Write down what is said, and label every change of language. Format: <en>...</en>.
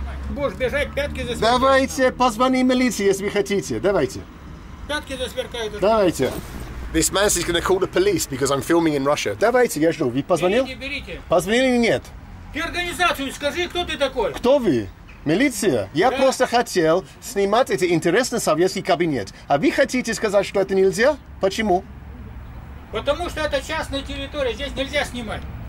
<ru>Будешь бежать, пятки засверкают. Давайте, позвони милиции, если хотите. Давайте. Пятки засверкают. Давайте.</ru> <en>This man is going to call the police because I'm filming in Russia.</en> <ru>Давайте, я жду. Вы позвонил? Берите, берите. Позвонили или нет? Ты организацию скажи, кто ты такой? Кто вы? Милиция? Я да. просто хотел снимать этот интересный советский кабинет. А вы хотите сказать, что это нельзя? Почему? Потому что это частная территория, здесь нельзя снимать.</ru>